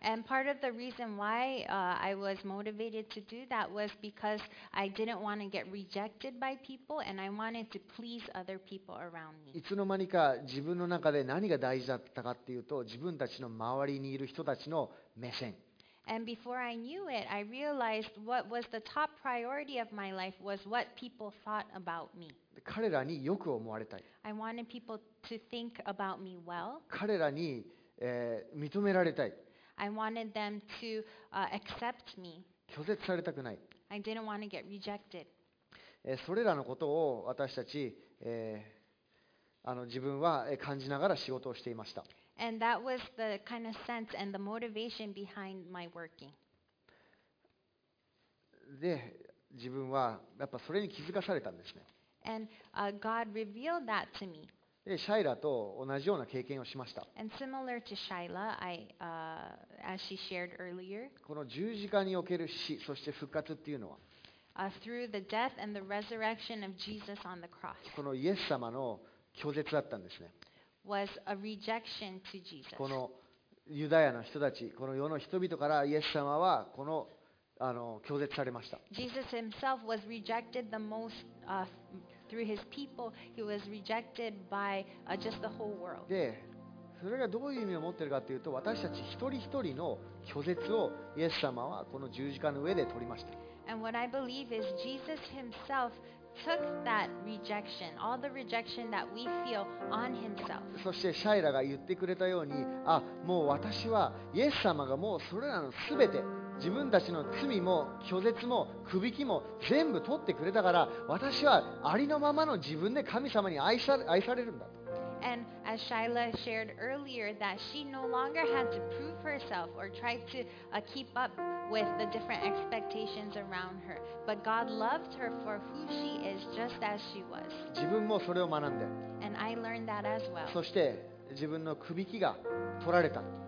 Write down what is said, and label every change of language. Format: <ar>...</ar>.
<en>And part of the reason why, I was motivated to do that was because I didn't want to get rejected by people and I wanted to please other people around me.</en> <ja>いつの間にか自分の中で何が大事だったかっていうと、自分たちの周りにいる人たちの目線。</ja> <en>And before I knew it, I realized what was the top priority of my life was what people thought about me.</en> <ja>彼らによく思われたい。</ja> <en>I wanted people to think about me well.</en> <ja>彼らに、認められたい。</ja> <en>I wanted them to, accept me.</en> <ja>拒絶されたくない。</ja> <en>I didn't want to get rejected.</en> <ja>それらのことを私たち、自分は感じながら仕事をしていました。</ja> <en>And that was the kind of sense and the motivation behind my working.</en> <ja>で、自分はやっぱそれに気づかされたんですね。</ja> <en>And God revealed that to me.</en> <ja>で、シャイラと同じような経験をしました。</ja> <en>And similar to Shaila, I, as she shared earlier.</en> <ja>この十字架における死、そして復活っていうのは、</ja> <en>through the death and the resurrection of Jesus on the cross.</en> <ja>このイエス様の拒絶だったんですね。</ja> <en>Was a rejection to Jesus.</en> <ja>このユダヤの人たち、この世の人々からイエス様はこの、拒絶されました。</ja> <en>Jesus himself was rejected the most, through his people. He was rejected by, just the whole world.</en> <ja>で、それがどういう意味を持っているかというと、私たち一人一人の拒絶をイエス様はこの十字架の上で取りました。</ja> <en>And what I believe is Jesus himself took that rejection, all the rejection that we feel on himself.</en> <ja>そしてシャイラが言ってくれたように、あ、もう私はイエス様がもうそれらのすべて、自分たちの罪も拒絶も首輝きも全部取ってくれたから、私はありのままの自分で神様に愛されるんだと。</ja> <en>And as Shyla shared earlier, that she no longer had to prove herself or try to keep up with the different expectations around her, but God loved her for who she is, just as she was.</en> <ja>自分もそれを学んで。</ja> <en>And I learned that as well.</en> <ja>そして自分の首輝きが取られた。</ja>